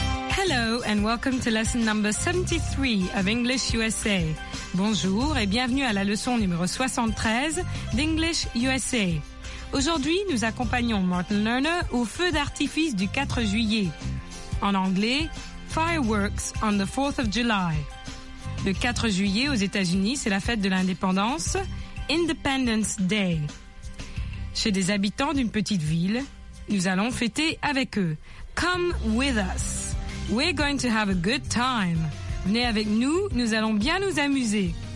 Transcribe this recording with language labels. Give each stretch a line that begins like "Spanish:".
English: Hello and welcome to lesson number 73 of English USA.
French: Bonjour et bienvenue à la leçon numéro 73 d'English USA. Aujourd'hui, nous accompagnons Martin Lerner au feu d'artifice du 4 juillet. En anglais,
English: Fireworks on the 4th of July.
French: Le 4 juillet aux États-Unis, c'est la fête de l'indépendance, Independence Day. Chez des habitants d'une petite ville, nous allons fêter avec eux.
English: Come with us. We're going to have a good time.
French: Venez avec nous, nous allons bien nous amuser.